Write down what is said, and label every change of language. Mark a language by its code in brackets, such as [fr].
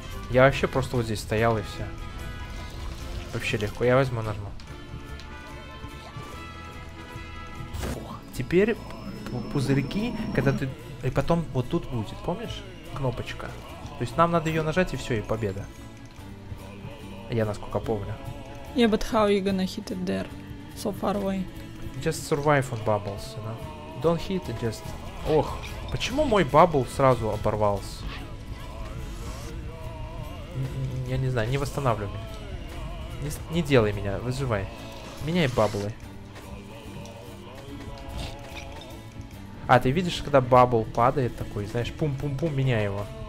[ru] Я вообще просто вот здесь стоял и все. Вообще легко, я возьму, нажму. Фух. Теперь пузырьки, когда ты... И потом вот тут будет, помнишь? Кнопочка. То есть нам надо ее нажать, и все, и победа. Я насколько помню. [en] Yeah, but how are you gonna hit it there? So far away. Just survive on bubbles, you know? Don't hit it, just... [ru] Ох, почему мой бабл сразу оборвался? Я не знаю, не восстанавливай меня. Не делай меня, выживай. Меняй баблы. А, ты видишь, когда бабл падает такой, знаешь, пум-пум-пум, меняй его.